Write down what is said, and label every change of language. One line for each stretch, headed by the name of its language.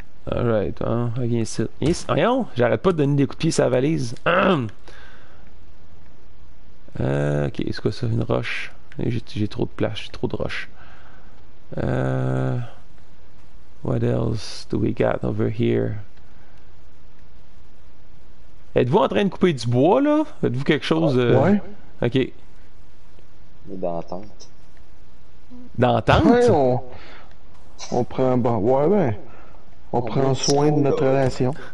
English: Alright,
French: hein, viens ici.
English: Yes.
French: Voyons, j'arrête pas de donner des coups de pied à sa valise. Ok, c'est quoi ça, une roche? J'ai trop de place, j'ai trop de roches.
English: What else do we got over here?
French: Êtes-vous en train de couper du bois, là? Êtes-vous quelque chose... Ouais. Ok. D'entente. D'entente? Ouais, on prend... Bon, ouais, ben... On prend soin de notre relation.